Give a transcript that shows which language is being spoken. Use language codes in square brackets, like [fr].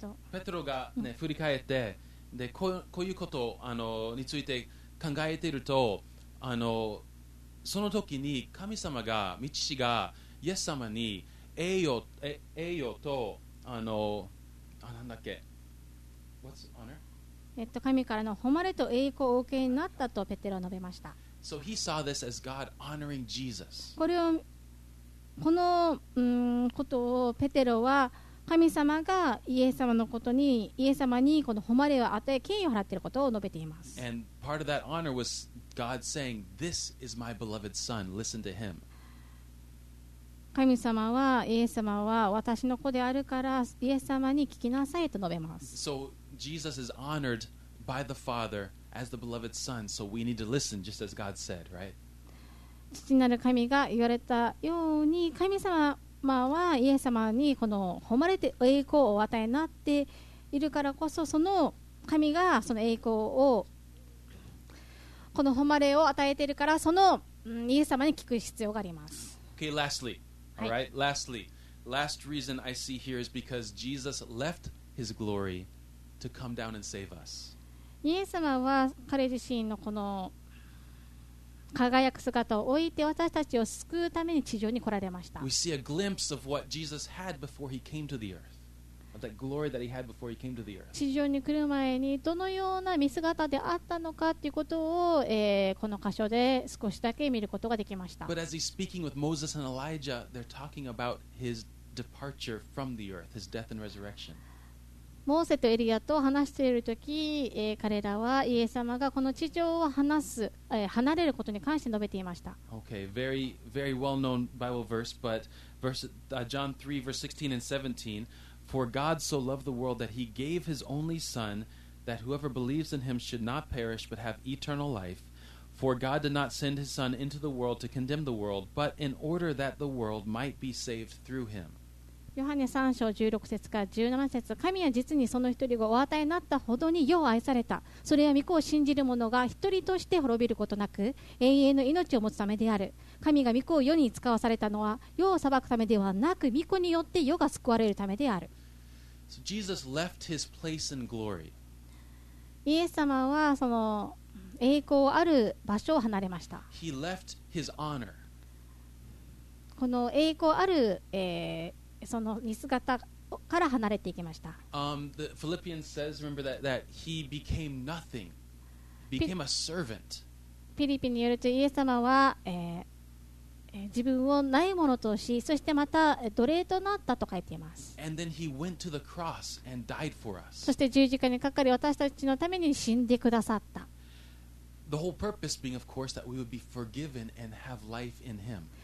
[ja] ペトロが、ね、振り返って、で、こういうことについて考えていると、その時に神様が、道師が、イエス様に栄誉と、なんだっけ、 [en] What's honor? [ja] 神からの誉れと栄光をお受けになったとペテロは述べました。 [en] So、he saw this as God honoring Jesus. [ja] これをこのことをペテロは神様がイエス様のことにイエス様にこの誉れを与え敬意を払っていることを述べています。 [en] And part of that honor was God saying, "This is my beloved son. Listen to him." [ja] 神様はイエス様は私の子であるからイエス様に聞きなさいと述べます。 [en] So,Jesus is honored by the Father as the beloved Son, so we need to listen just as God said, right? [ja] 父なる神が言われたように、神様はイエス様にこの誉れて栄光を与えになっているからこそ、その神がその栄光をこの誉れを与えているから、そのイエス様に聞く必要があります。 [en] Okay, lastly, all right, lastly, last reason I see here is because Jesus left his glory. To come down and save us. [ja] イエス様は彼自身のこの輝く姿を置いて私たちを救うために地上に来られました。 [en] We see a glimpse of what Jesus had before he came to the earth. Of that glory that he had before he came to the earth. [ja] 地上に来る前にどのような見姿であったのかということを、この箇所で少しだけ見ることができました。 [en] But as he's speaking with Moses and Elijah, they're talking about his departure from the earth, his death and resurrection. [ja] モーセとエリアと話しているとき、彼らはイエス様がこの地上を離れることに関して述べていました。 [en] Okay, very, very well-known Bible verse, but John 3, verse 16 and 17, For God so loved the world that he gave his only Son, that whoever believes in him should not perish, but have eternal life. For God did not send his Son into the world to condemn the world, but in order that the world might be saved through him. [ja] ヨハネ3章16節から17節、神は実にその一人をお与えになったほどによう愛された。それは御子を信じる者が一人として滅びることなく永遠の命を持つためである。神が御子を世に使わされたのは世を裁くためではなく御子によって世が救われるためである。 [en] So Jesus left his place in glory. [ja] イエス様はその栄光ある場所を離れました。 [en] He left his honor. [ja] この栄光ある、その似姿から離れていきました。 [en] The Philippians says, remember that he became nothing, became a servant. [ja] ピリピによるとイエス様は、自分をないものとし、そしてまた奴隷となったと書いています。 [en] And then he went to the cross and died for us. [ja] そして十字架にかかり私たちのために死んでくださった。 [en] The whole purpose being, of course, that we would be forgiven and have life in him.